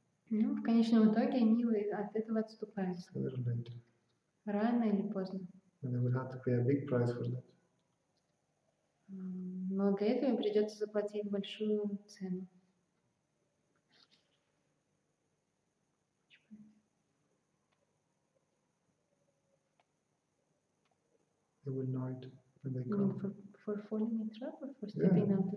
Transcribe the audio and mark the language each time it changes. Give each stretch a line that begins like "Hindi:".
Russian: Ну, в конечном итоге они от этого отступают. Рано или поздно.
English: And they will have to pay a big price for that.
Russian: Но для этого придется заплатить большую цену.
English: They will know it when they come. For falling in trap or for stepping out of